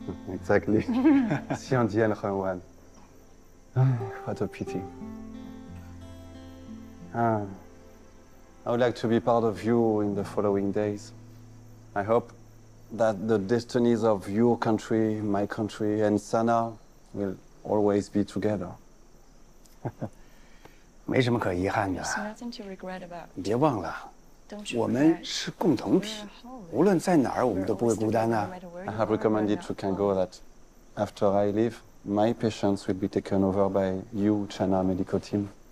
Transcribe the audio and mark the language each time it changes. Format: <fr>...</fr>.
<en>Exactly.</en> <zh>相见恨晚.</zh> <en>What a pity. I would like to be part of you in the following days. I hope that the destinies of your country, my country, and Sana will always be together.</en> <zh>没什么可遗憾的，别忘了。我们是共同体，无论在哪儿，我们都不会孤单啊。I</zh> <en>have recommended to Kango that after I leave, my patients will be taken over by you, China medical team.</en>